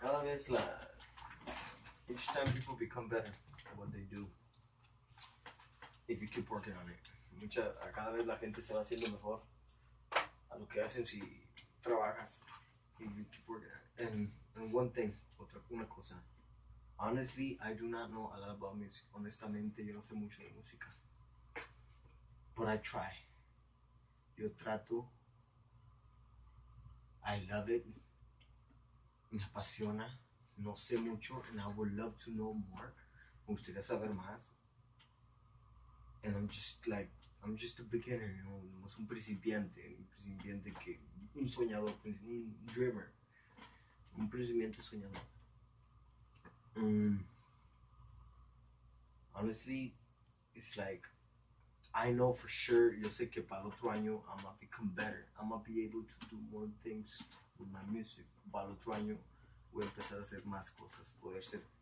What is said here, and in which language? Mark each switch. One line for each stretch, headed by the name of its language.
English: It's like each time people become better at what they do if you keep working on it.
Spanish: Cada vez la gente se va haciendo mejor a lo que hacen si trabajas.
English: If you keep working on it. And one thing,
Spanish: una cosa.
English: Honestly, I do not know a lot about music.
Spanish: Honestamente, yo no sé mucho de música.
English: But I try.
Spanish: Yo trato.
English: I love it.
Spanish: Me apasiona. No sé mucho,
English: and I would love to know more.
Spanish: Me gustaría saber más.
English: And I'm just a beginner, you know.
Spanish: Es un principiante que un soñador, un dreamer, un principiante soñador.
English: Honestly, it's like I know for sure.
Spanish: Yo sé que para el otro año
English: I'm gonna become better. I'm gonna be able to do more things with my music.
Spanish: Para el otro año. Voy a empezar a hacer más cosas, poder ser.